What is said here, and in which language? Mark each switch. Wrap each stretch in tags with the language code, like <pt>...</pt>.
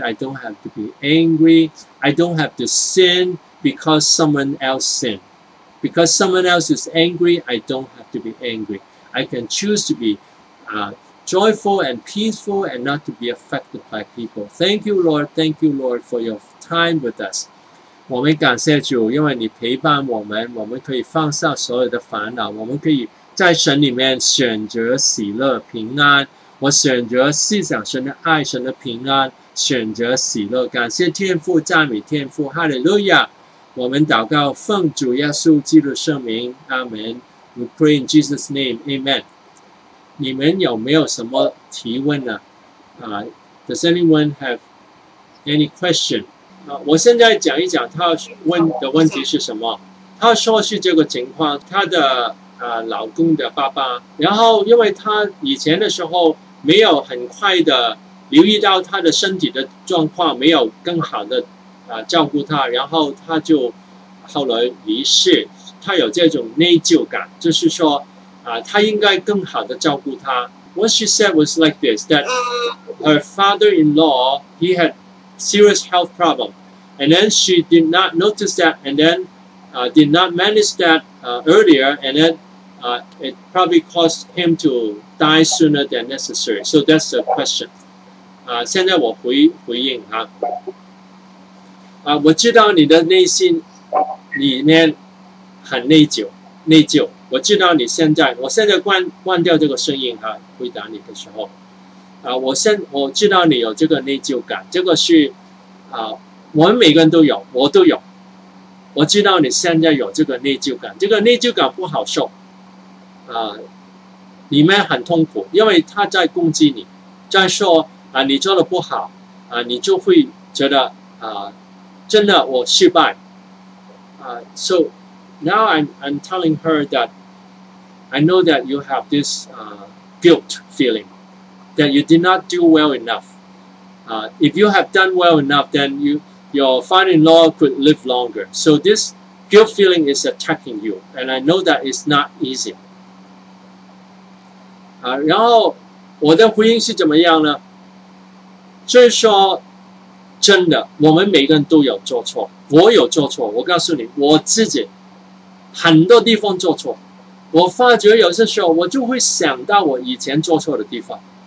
<en>I don't have to be angry. I don't have to sin because someone else sinned. Because someone else is angry, I don't have to be angry. I can choose to be joyful and peaceful and not to be affected by people. Thank you, Lord. Thank you, Lord, for your time with us.</en> <zh>我们感谢主，因为你陪伴我们，我们可以放下所有的烦恼，我们可以在神里面选择喜乐平安。我选择思想神的爱，神的平安，选择喜乐。感谢天父，赞美天父，哈利路亚。我们祷告奉主耶稣基督圣名，阿们。</zh> <en>We pray in Jesus' name, Amen.</en> <zh>你们有没有什么提问呢？</zh> <en>Does anyone have any question?</en> <zh>我现在讲一讲他问的问题是什么。他说是这个情况，他的老公的爸爸，然后因为他以前的时候没有很快的留意到他的身体的状况，没有更好的照顾他，然后他就后来离世。他有这种内疚感，就是说他应该更好的照顾他。</zh> <en>What she said was like this, that her father-in-law, he hadserious health problem, and then she did not notice that, and then did not manage that earlier, and then it probably caused him to die sooner than necessary. So that's the question.</en> <zh>现在我回应哈。我知道你的内心里面很内疚。我知道你现在，我现在关掉这个声音哈，回答你的时候。我知道你有这个内疚感，这个是我们每个人都有，我都有。我知道你现在有这个内疚感，这个内疚感不好受，里面很痛苦，因为他在攻击你，在说你做的不好，你就会觉得真的我失败。</zh> <en>So now I'm telling her that I know that you have this guilt feeling. That you did not do well enough. If you have done well enough, then your father-in-law could live longer. So this guilt feeling is attacking you, and I know that it's not easy.</en> <zh>然后我的回应是怎么样呢？就是说，真的，我们每个人都有做错，我有做错。我告诉你，我自己很多地方做错。我发觉有些时候，我就会想到我以前做错的地方。</zh>